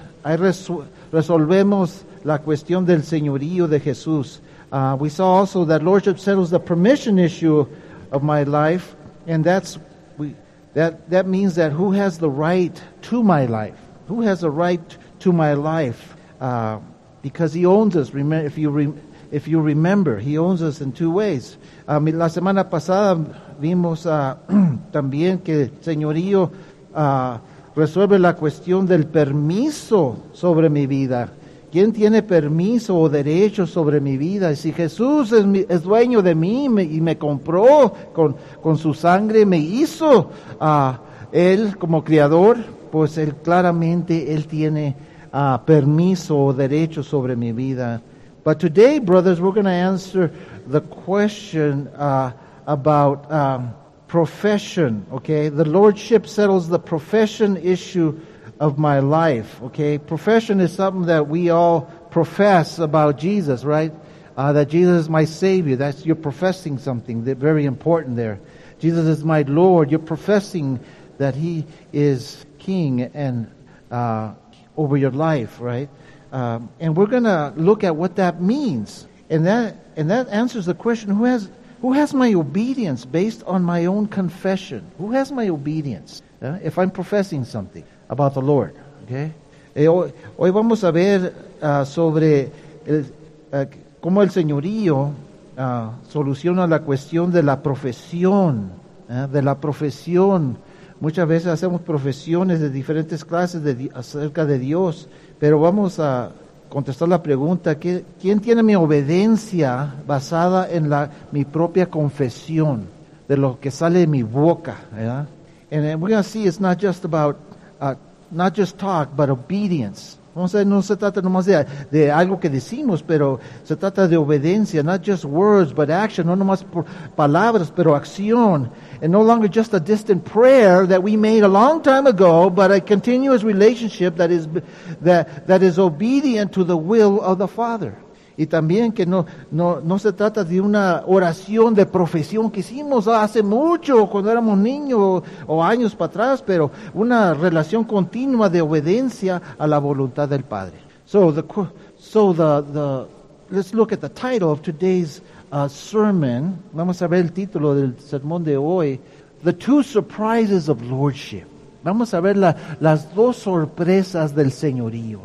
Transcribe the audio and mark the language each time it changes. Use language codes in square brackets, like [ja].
[es] Cuando resolvemos la cuestión del Señorío de Jesús. [en] We saw also that Lordship settles the permission issue of my life, and that means that who has the right to my life? Who has the right to my life? Because He owns us. If you remember, He owns us in two ways. [es] La semana pasada vimos también que el Señorío resuelve la cuestión del permiso sobre mi vida. ¿Quién tiene permiso o derecho sobre mi vida? Si Jesús es dueño de mí y me compró con su sangre, me hizo a Él como Creador, pues Él claramente Él tiene permiso o derecho sobre mi vida. [en] But today, brothers, we're going to answer the question about profession, okay? The Lordship settles the profession issue of my life, okay? Profession is something that we all profess about Jesus, right? That Jesus is my Savior. That's, you're professing something. They're very important there. Jesus is my Lord. You're professing that He is King and over your life, right? And we're going to look at what that means. And that answers the question, who has my obedience based on my own confession? Who has my obedience if I'm professing something about the Lord, okay? [es] Hoy vamos a ver sobre cómo el Señorío soluciona la cuestión de la profesión, de la profesión. Muchas veces hacemos profesiones de diferentes clases acerca de Dios, pero vamos a contestar la pregunta, ¿quién tiene mi obediencia basada en mi propia confesión de lo que sale de mi boca, ¿verdad? [en] And we're going to see it's not just about not just talk, but obedience. [es] Vamos a ver, no se trata nomás de algo que decimos, pero se trata de obediencia. [en] Not just words, but action. [es] No nomás por palabras, pero acción. [en] And no longer just a distant prayer that we made a long time ago, but a continuous relationship that is obedient to the will of the Father. [es] Y también que no se trata de una oración de profesión que hicimos hace mucho, cuando éramos niños o años para atrás, pero una relación continua de obediencia a la voluntad del Padre. [en] So let's look at the title of today's sermon. [es] Vamos a ver el título del sermón de hoy. [en] The Two Surprises of Lordship. [es] Vamos a ver las dos sorpresas del Señorío.